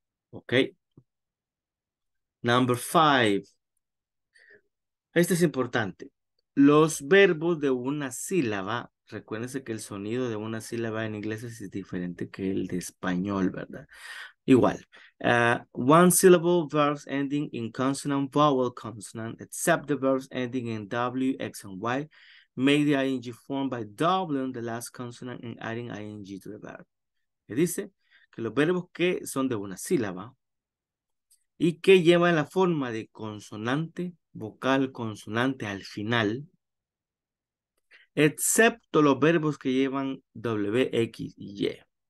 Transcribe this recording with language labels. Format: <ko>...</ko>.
<es>Ok.</es> <en>Number 5.</en> <es>Este es importante. Los verbos de una sílaba, recuérdense que el sonido de una sílaba en inglés es diferente que el de español, ¿verdad? Igual.</es> <en>One syllable verbs ending in consonant, vowel, consonant, except the verbs ending in W, X, and Y, make the ing form by doubling the last consonant and adding ing to the verb.</en> <es>¿Qué dice? Que los verbos que son de una sílaba y que llevan la forma de consonante, vocal, consonante al final, excepto los verbos que llevan W, X y Y.</es>